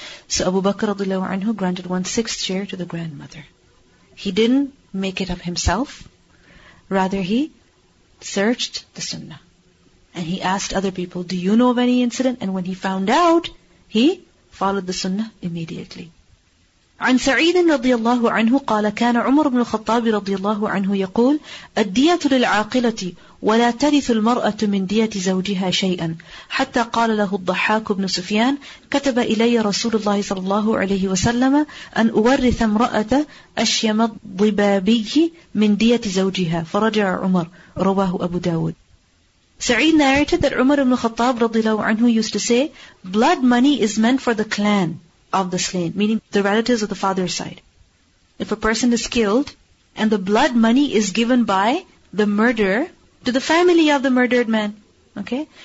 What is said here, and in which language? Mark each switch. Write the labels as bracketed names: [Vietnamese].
[English] So Abu Bakr radhiyallahu anhu granted 1/6 share to the grandmother. He didn't make it up himself. Rather, he searched the sunnah. And he asked other people, do you know of any incident? And when he found out, he followed the sunnah immediately. [Arabic] عن سعيد رضي الله عنه قال كان عمر بن الخطاب رضي الله عنه يقول الدية للعاقلة ولا ترث المرأة من دية زوجها شيئا حتى قال له الضحاك بن سفيان كتب إلي رسول الله صلى الله عليه وسلم أن أورث امرأة أشيم الضبابي من دية زوجها فرجع عمر رواه أبو داود. [English] Sa'id narrated that Umar ibn Khattab radiallahu anhu used to say, blood money is meant for the clan of the slain, meaning the relatives of the father's side. If a person is killed, and the blood money is given by the murderer to the family of the murdered man, okay?